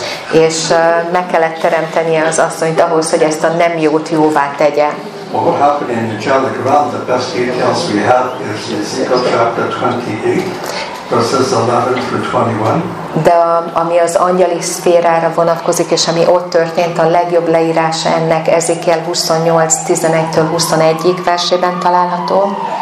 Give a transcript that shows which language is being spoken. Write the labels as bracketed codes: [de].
[hu] És meg kellett teremtenie az asszonyt ahhoz, hogy ezt a nem jót jóvá tegye. [en] Well, what happened in the angelic realm, the best details we have is in Ezekiel chapter 28, verses 11 through 21. [hu] De ami az angyali szférára vonatkozik, és ami ott történt, a legjobb leírása ennek Ezekiel 28:11-21 versében található.